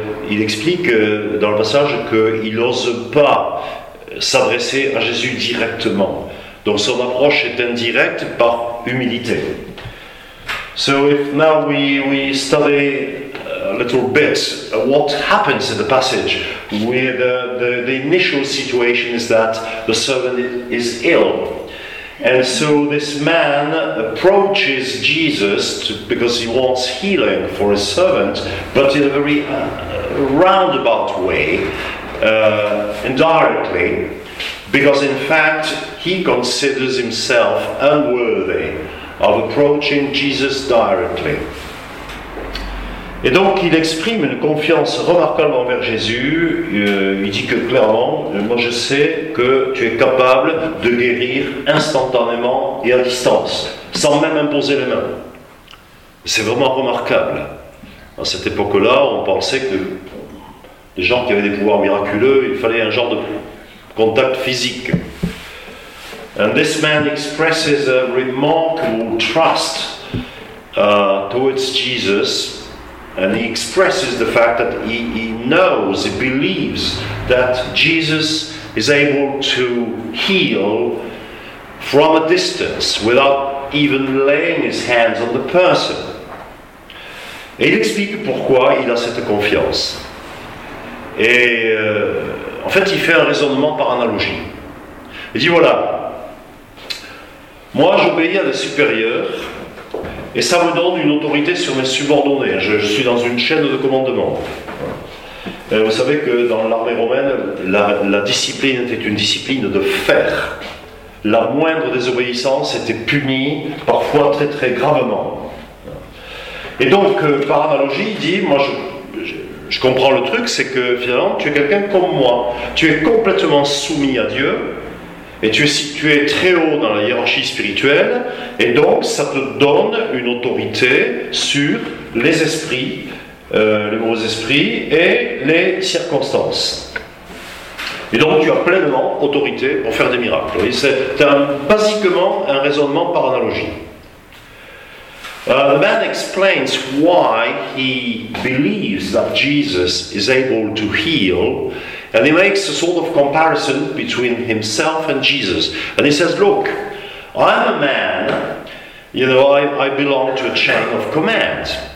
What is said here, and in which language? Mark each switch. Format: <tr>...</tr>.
<fr>Il explique dans le passage qu'il n'ose pas s'adresser à Jésus directement. Donc son approche est indirecte par humilité.</fr> <en>So if now we study a little bit what happens in the passage, where the initial situation is that the servant is ill. And so this man approaches Jesus because he wants healing for his servant, but in a very roundabout way, indirectly, because in fact he considers himself unworthy of approaching Jesus directly.</en> <fr>Et donc il exprime une confiance remarquable envers Jésus. Il dit que clairement, moi je sais que tu es capable de guérir instantanément et à distance, sans même imposer les mains. C'est vraiment remarquable. À cette époque-là, on pensait que les gens qui avaient des pouvoirs miraculeux, il fallait un genre de contact physique.</fr> <en>And this man expresses a remarkable trust towards Jesus, and he expresses the fact that he knows, he believes that Jesus is able to heal from a distance without even laying his hands on the person.</en> <fr>Et il explique pourquoi il a cette confiance. Et en fait, il fait un raisonnement par analogie. Il dit, voilà, moi j'obéis à des supérieurs et ça me donne une autorité sur mes subordonnés. Je suis dans une chaîne de commandement. Et vous savez que dans l'armée romaine, la discipline était une discipline de fer. La moindre désobéissance était punie, parfois très très gravement. Et donc, par analogie, il dit, moi je comprends le truc, c'est que finalement, tu es quelqu'un comme moi. Tu es complètement soumis à Dieu, et tu es situé très haut dans la hiérarchie spirituelle, et donc ça te donne une autorité sur les esprits, les mauvais esprits et les circonstances. Et donc tu as pleinement autorité pour faire des miracles. Oui, c'est basiquement un raisonnement par analogie.</fr> <en>The man explains why he believes that Jesus is able to heal, and he makes a sort of comparison between himself and Jesus. And he says, look, I'm a man, you know, I belong to a chain of command.</en>